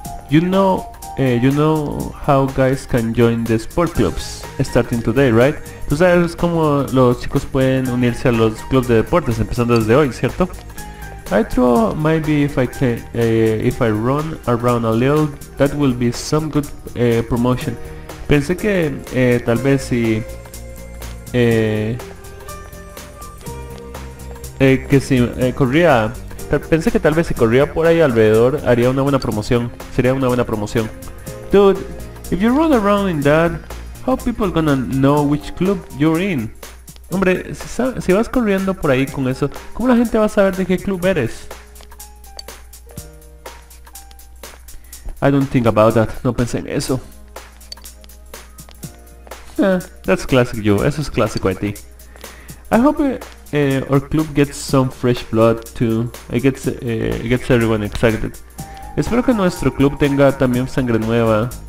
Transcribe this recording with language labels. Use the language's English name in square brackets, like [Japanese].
[English] You know how guys can join the sport clubs starting today, right? [Spanish] Tú sabes cómo los chicos pueden unirse a los clubs de deportes empezando desde hoy, ¿cierto? [English] I throw maybe if I can if I run around a little, that will be some good promotion. [Spanish] Pensé que tal vez si corría por ahí alrededor haría una buena promoción. Sería una buena promoción. [English] Dude, if you run around in that, how people gonna know which club you're in? [Spanish] Hombre, si vas corriendo por ahí con eso, ¿cómo la gente va a saber de qué club eres? [English] I don't think about that. [Spanish] No pensé en eso. [English] That's classic you. [Spanish] Eso es clásico de ti. [English] I hope our club gets some fresh blood too. It gets everyone excited. [Spanish] Espero que nuestro club tenga también sangre nueva.